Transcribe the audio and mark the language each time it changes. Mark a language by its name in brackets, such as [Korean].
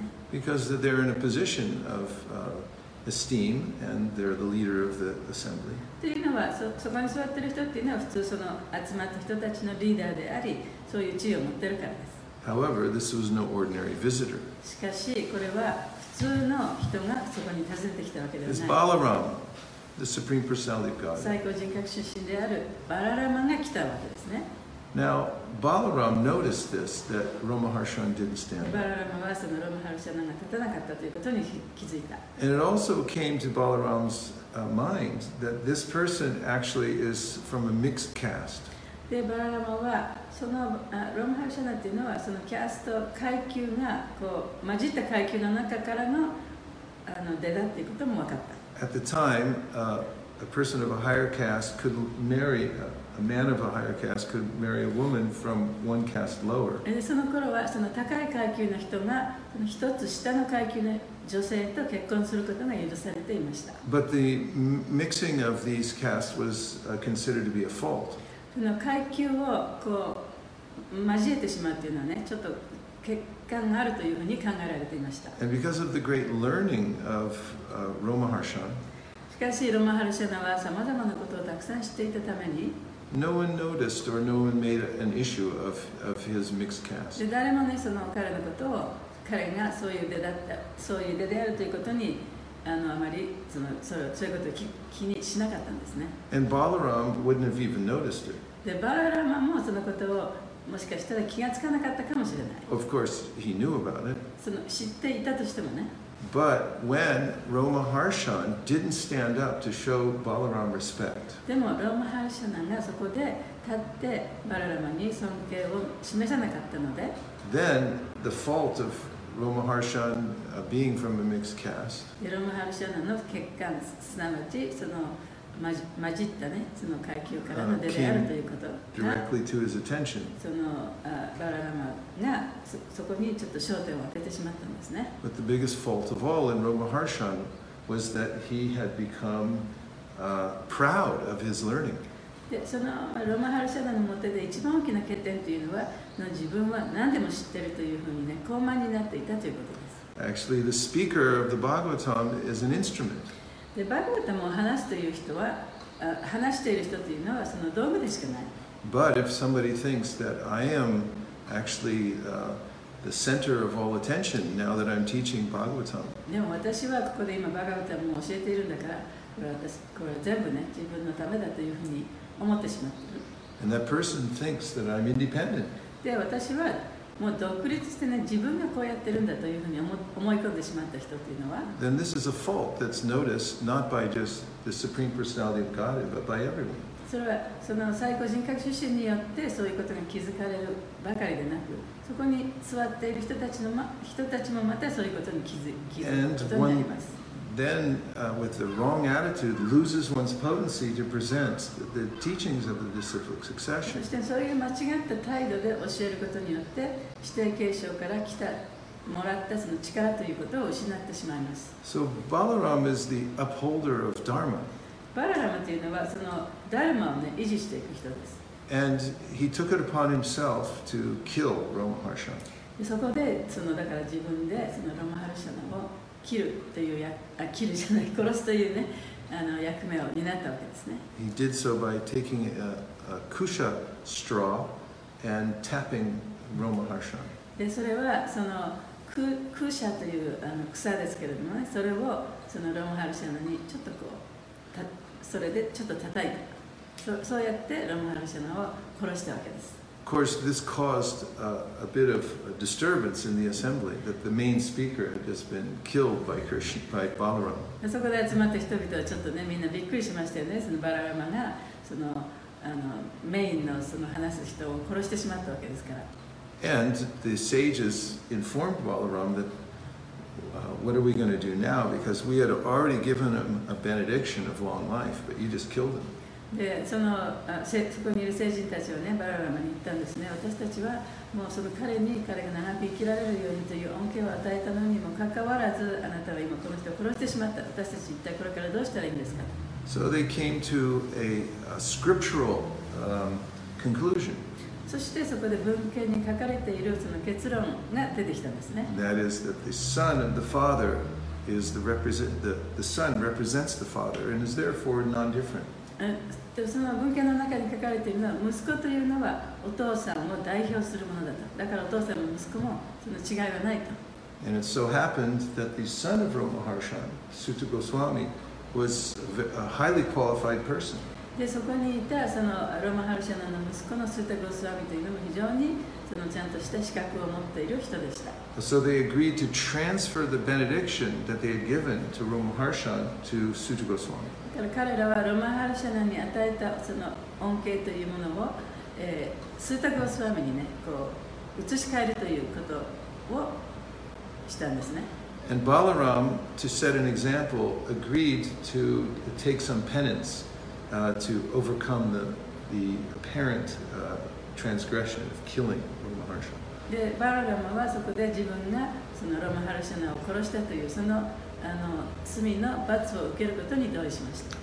[English] Because they're in a position of. Esteem and they're the leader of the assembly. [Japanese] というのは、そこに座ってる人っていうのは普通その集まった人たちのリーダーであり、そういう地位を持ってるからです。 [English] However, this was no ordinary visitor. [Japanese] しかし、これは普通の人がそこに訪ねてきたわけではない。 [English] It's Balaram, the Supreme Personality of God. [Japanese] 最高人格出身であるバララマが来たわけですね。 [English] Now, Balaram noticed this, that Romaharshan didn't stand up. [Japanese] Balaram はそのロマハルシャナが立たなかったということに気づいた。 [English] And it also came to Balaram's mind that this person actually is from a mixed caste. [Japanese] で、バララマはそのロマハルシャナっていうのはそのキャスト階級がこう混じった階級の中からの出だっていうことも分かった。 [English] At the time, a person of a higher caste could marry A man of a higher caste could marry a woman from one caste lower. And [Japanese] その頃はその高い階級の人がその一つ下の階級の女性と結婚することが許されていました。 [English] But the mixing of these castes was considered to be a fault. [Japanese] その階級をこう交えてしまうというのはね、ちょっと欠陥があるというふうに考えられていました。 [English] And because of the great learning of Romaharshan, [Japanese] しかしロマハルシャナはさまざまなことをたくさん知っていたために。 [English] No one noticed or no one made an issue of his mixed caste. [Japanese] で、誰もね、その彼のことを、彼がそういう出だった、そういう出であるということに、あまり、そういうことを気にしなかったんですね。 [English] And Balaram wouldn't have even noticed it. [Japanese] で、バラマもそのことを、もしかしたら気がつかなかったかもしれない。 [English] Of course, he knew about it. [Japanese] その知っていたとしてもね。 [English] But when Romaharshan didn't stand up to show Balaram respect, [Japanese] でもロマハルシャナがそこで立ってバララマに尊敬を示さなかったので、 [English] then the fault of Romaharshan being from a mixed caste, [Japanese] ロマハルシャナの欠陥、すなわちその混じったね、その階級からの出であるということが、 [English] directly to his attention. [Japanese] そのバララマが そこにちょっと焦点を当ててしまったんですね。 [English] But the biggest fault of all in Romaharshan was that he had become proud of his learning. [Japanese] で、そのロマハルシャナの表で一番大きな欠点というのは、の自分は何でも知ってるというふうにね、高慢になっていたということです。 [English] Actually, the speaker of the Bhagavatam is an instrument. [Japanese] で、バグワタも話すという人は、話している人というのはその道具でしかない。 [English] But if somebody thinks that I am actually the center of all attention now that I'm teaching Bhagavatam. [Japanese] でも私はここで今バグワタも教えているんだから、これ全部ね、自分のためだというふうに思ってしまっている。 [English] And that person thinks that I'm independent. [Japanese] で、私はもう独立してね、自分がこうやってるんだというふうに思い込んでしまった人というのは、 [English] then this is a fault that's noticed not by just the Supreme Personality of Godhead, but by everyone. [Japanese] それはその最高人格出身によってそういうことが気づかれるばかりでなく、そこに座っている人たちもまたそういうことに気づくことになります。 [English] Then, with the wrong attitude, loses one's potency to present the teachings of the disciplic succession. [Japanese] そしてそういう間違った態度で教えることによって、指定継承から来たもらったその力ということを失ってしまいます。 [English] So Balaram is the upholder of Dharma. [Japanese] バララムというのはそのダルマを、ね、維持していく人です。 [English] And he took it upon himself to kill Ramaharsha. [Japanese] そこでそのだから自分でそのラマハルシャナを切るというや、あ、切るじゃない、殺すというね、あの役目を担ったわけですね。 [English] He did so by taking a kusha straw and tapping Ramaharsha. [Japanese] で、それはその kusha というあの草ですけれどもね、それをそのロマハルシャナにちょっとこう、それでちょっと叩いた。そうやってロマハルシャナを殺したわけです。 [English] Of course, this caused a bit of a disturbance in the assembly that the main speaker had just been killed by Krishna, by Balaram. [Japanese] そこで集まった人々はちょっとね、みんなびっくりしましたよね。そのバラーマがその、あの、メインのその話す人を殺してしまったわけですから。 [English] And the sages informed Balaram that, what are we going to do now? Because we had already given him a benediction of long life, but you just killed him. [Japanese] で そこにいる聖人たちをね、バラバラに言ったんですね。私たちはもうその彼が長く生きられるようにという恩恵を与えたのにもかかわらず、あなたは今この人を殺してしまった。私たち一体これからどうしたらいいんですか。 [English] So they came to a scriptural conclusion. [Japanese] そしてそこで文献に書かれているその結論が出てきたんですね。 [English] That is that the son of the father is the son represents the father and is therefore non-different. [Japanese] その文献の中に書かれているのは、息子というのはお父さんを代表するものだと。だからお父さんも息子もその違いはないと。 [English] And it so happened that the son of Ramaharsha, Suta Goswami, was a highly qualified person. [Japanese] で、そこにいたそのロマハルシャナの息子のスータゴスワミというのも非常にそのちゃんとした資格を持っている人でした。 [English] So they agreed to transfer the benediction that they had given to Ramaharsha to Suta Goswami. [Japanese] だから彼らはロマハルシャナに与えたその恩恵というものを、スータゴスワミにね、こう移し替えるということをしたんですね。 [English] And Balaram, to set an example, agreed to take some penance, to overcome the apparent, transgression of killing Ramaharsha. [Japanese] で、バラガマはそこで自分がそのロマハルシャナを殺したというその。あの罪の罰を受けることに同意しました。